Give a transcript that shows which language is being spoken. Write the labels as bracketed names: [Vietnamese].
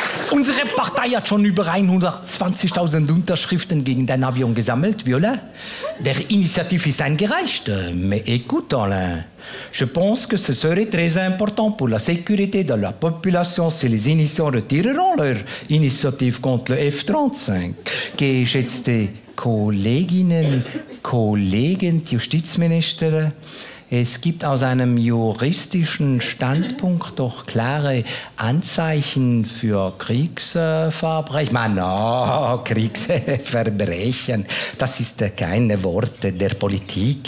[German] Unsere Partei hat schon über 120.000 Unterschriften gegen dein Avion gesammelt, Viola. Der Initiative ist eingereicht. [French] Mais écoute, Alain. Je pense que ce serait très important pour la sécurité de la population si les initiants retireront leur initiative contre le F-35. [German] Geschätzte Kolleginnen, Kollegen, die Justizministerin, es gibt aus einem juristischen Standpunkt doch klare Anzeichen für Kriegsverbrechen. Ich meine, Kriegsverbrechen, das ist keine Worte der Politik.